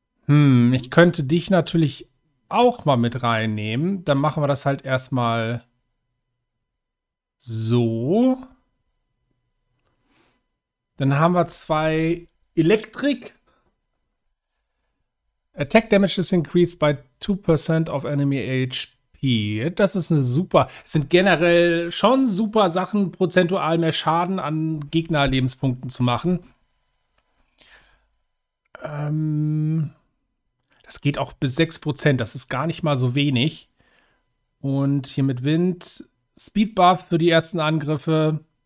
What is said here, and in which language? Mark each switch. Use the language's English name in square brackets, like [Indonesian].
[German] Ich könnte dich natürlich auch mal mit reinnehmen. Dann machen wir das halt erstmal so. Dann haben wir zwei Elektrik. [English] Attack Damage is increased by 2% of enemy HP. [German] Das ist eine super. Es sind generell schon super Sachen, prozentual mehr Schaden an Gegnerlebenspunkten zu machen. Das geht auch bis 6%, das ist gar nicht mal so wenig. Und hier mit Wind, Speed Buff für die ersten Angriffe.